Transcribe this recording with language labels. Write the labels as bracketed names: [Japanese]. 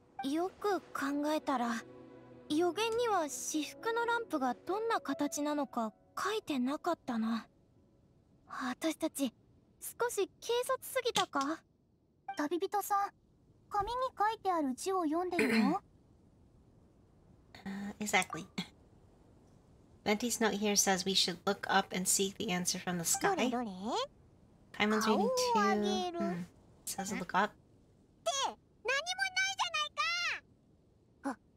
[Japanese] よく考えたら、予言には至福のランプがどんな形なのか書いてなかったな。私たち少し軽率すぎたか。旅人さん、紙に書いてある字を読んでるの？ [English] Exactly. Venti's note here says we should look up and seek the answer from the sky. [Japanese] どれどれ？ [English] Paimon's reading too. Says to look up. [Japanese] て、何もないじゃないか！